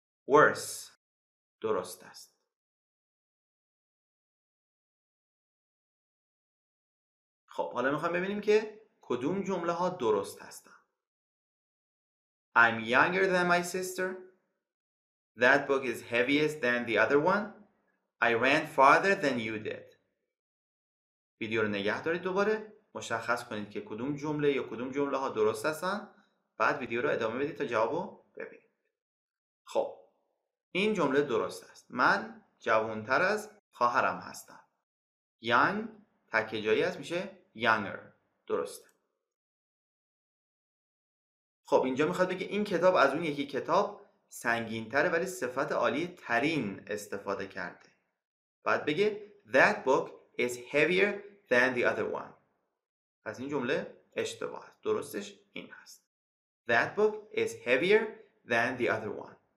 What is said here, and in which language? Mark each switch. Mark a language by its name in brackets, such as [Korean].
[Persian] worse درست است. خب حالا میخوام ببینیم که کدوم جمله ها درست هستن. [English] I'm younger than my sister. That book is heaviest than the other one. I ran farther than you did. [Persian] ویدیو رو نگه دارید دوباره، مشخص کنید که کدوم جمله یا کدوم جمله ها درست هستن، بعد ویدیو رو ادامه بدید تا جوابو ببینید. خب این جمله درست است. من جوانتر از خواهرم هستم. young تک جایی هست میشه younger. درست. خب اینجا میخواد بگه این کتاب از اون یکی کتاب سنگین تره ولی صفت عالی ترین استفاده کرده. بعد بگه [English] That book is heavier than the other one. [Persian] پس این جمله اشتباه است. درستش این هست. [English] That book is heavier than the other one.